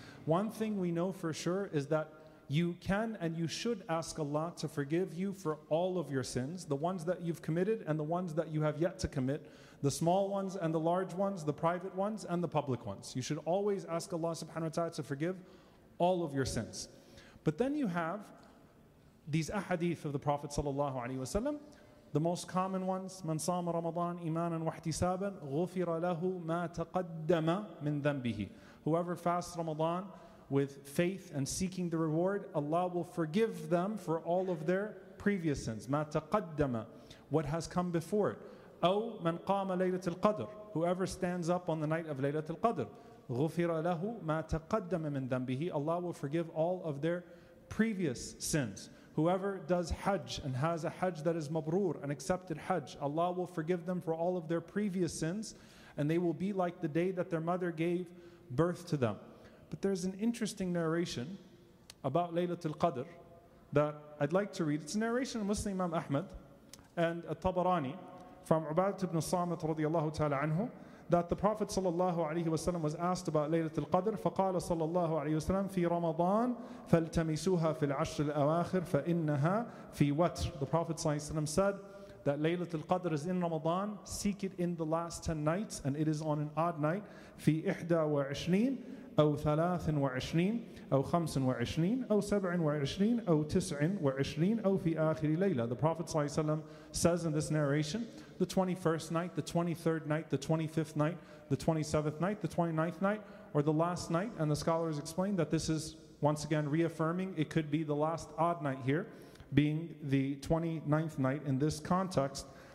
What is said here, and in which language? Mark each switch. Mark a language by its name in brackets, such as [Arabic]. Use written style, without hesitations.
[English] One thing we know for sure is that you can and you should ask Allah to forgive you for all of your sins, the ones that you've committed and the ones that you have yet to commit, the small ones and the large ones, the private ones and the public ones. You should always ask Allah subhanahu wa ta'ala to forgive all of your sins. But then you have these ahadith of the Prophet sallallahu alaihi wasallam. The most common ones, [Arabic] من صام رمضان إيمانا واحتسابا غفر له ما تقدم من ذنبه. [English] Whoever fasts Ramadan with faith and seeking the reward, Allah will forgive them for all of their previous sins. [Arabic] ما تقدم, [English] what has come before it. [Arabic] أو من قام ليلة القدر, [English] whoever stands up on the night of [Arabic] ليلة القدر, غفر له ما تقدم من ذنبه. [English] Allah will forgive all of their previous sins. Whoever does Hajj and has a Hajj that is mabrur, an accepted Hajj, Allah will forgive them for all of their previous sins, and they will be like the day that their mother gave birth to them. But there's an interesting narration about Laylatul Qadr that I'd like to read. It's a narration of Muslim Imam Ahmad and At-Tabarani from Ubadah ibn Samit radiallahu ta'ala anhu, that the Prophet sallallahu alaihi wasallam was asked about Laylatul Qadr. [Arabic] فقال sallallahu alaihi wasallam في رمضان فالتمسوها في العشر الأواخر فإنها في وتر. [English] The Prophet sallallahu alaihi wasallam said that Laylatul Qadr is in Ramadan. Seek it in the last 10 nights, and it is on an odd night. [Arabic] في إحدى وعشرين أو ثلاث وعشرين أو خمس وعشرين أو سبع وعشرين أو تسع وعشرين أو في آخر ليلة. [English] The Prophet sallallahu alaihi wasallam says in this narration, the 21st night, the 23rd night, the 25th night, the 27th night, the 29th night, or the last night. And the scholars explain that this is, once again, reaffirming it could be the last odd night here, being the 29th night in this context.